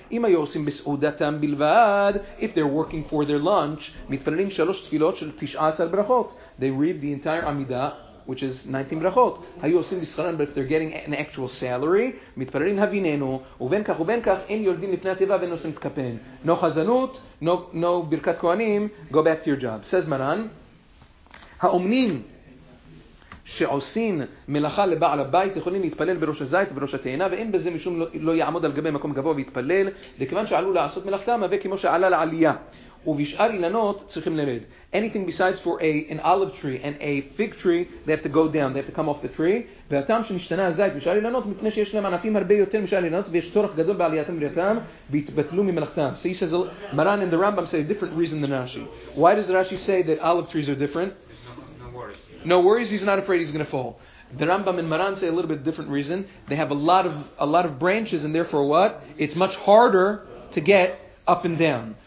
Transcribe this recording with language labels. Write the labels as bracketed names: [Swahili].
[Hebrew] אם היו עושים בסעודתם בלבד, [English] if they're working for their lunch, [Hebrew] מתפללים 3 תפילות של 19 ברכות. [English] They read the entire עמידה, which is 19 ברכות. [Hebrew] היו עושים בשכרן, [English] but if they're getting an actual salary, [Hebrew] מתפללים הבינינו, ובין כך, אין יורדים לפני התיבה ואין עושים את כפן. [English] No חזנות, no ברכת כהנים, go back to your job. Says Maran, [Hebrew] האומנים שעושים מלאכה לבעל הבית יכולים להתפלל בראש הזית ובראש התאנה, ואין בזה משום לא יעמוד על גבי מקום גבוה ויתפלל, וכיוון שעלו לעשות מלאכתם, וכמו שעלה לעלייה. ובשאר אילנות צריכים לרד. [English] Anything besides for an olive tree and a fig tree, they have to go down, they have to come off the tree. [Hebrew] והטעם שמשתנה הזית בשאר אילנות, מפני שיש להם ענפים הרבה יותר משאר אילנות, ויש צורך גדול בעלייתם וריאתם, והתבטלו ממלאכתם. [English] So he says, Maran and the Rambam say a different reason than Rashi. Why does Rashi say that olive trees are different? No worries, he's not afraid he's going to fall. The Rambam and Maran say a little bit different reason. They have a lot of branches, and therefore what? It's much harder to get up and down.